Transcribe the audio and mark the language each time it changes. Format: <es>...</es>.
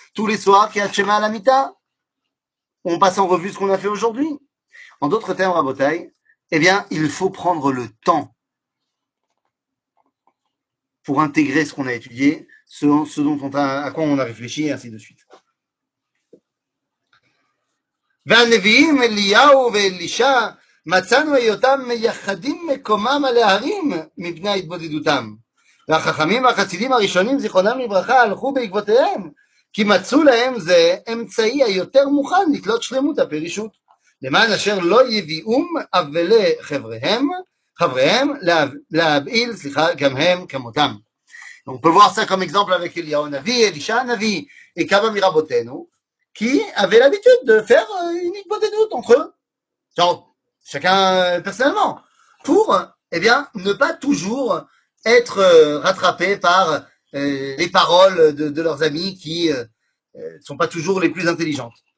<fr>Tous les soirs, qui a Shema à la Mita. On passe en revue ce qu'on a fait aujourd'hui. En d'autres termes, Rabotai, eh bien, il faut prendre le temps pour intégrer ce qu'on a étudié, ce dont on a, à quoi on a réfléchi, et ainsi de suite.</fr> <he>והנביאים אליהו ואלישע מצאנו היותם מייחדים מקומם על ההרים מפני התבודדותם. והחכמים והחסידים הראשונים זיכרונם לברכה הלכו בעקבותיהם, כי מצאו להם זה אמצעי היותר מוכן לתלות שלמות הפרישות, למען אשר לא יביאום אבלי חבריהם, להבעיל, סליחה, גם הם כמותם.</he> <fr>On peut voir ça comme exemple avec אליהו הנביא, אלישע הנביא, et</fr> <he>כמה מרבותינו,</he> <fr>qui avaient l'habitude de faire une hitmodedut entre eux, genre chacun personnellement, pour eh bien ne pas toujours être rattrapés par les paroles de leurs amis qui sont pas toujours les plus intelligentes.</fr>